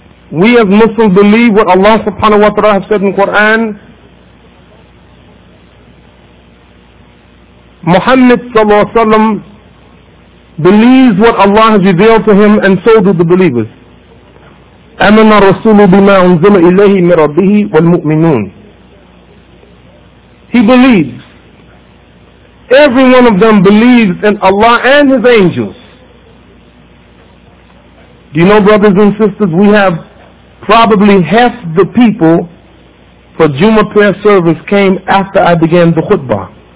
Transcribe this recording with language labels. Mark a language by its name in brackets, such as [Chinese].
[English] We as Muslims believe what Allah subhanahu wa ta'ala has said in Quran. Muhammad sallallahu alaihi wasallam believes what Allah has revealed to him, and so do the believers. [Arabic] أمن الرسول بما أنزل إليه من ربه والمؤمنون. [English] He believes. Every one of them believes in Allah and His angels. Do you know, brothers and sisters, we have probably half the people for Jummah prayer service came after I began the khutbah.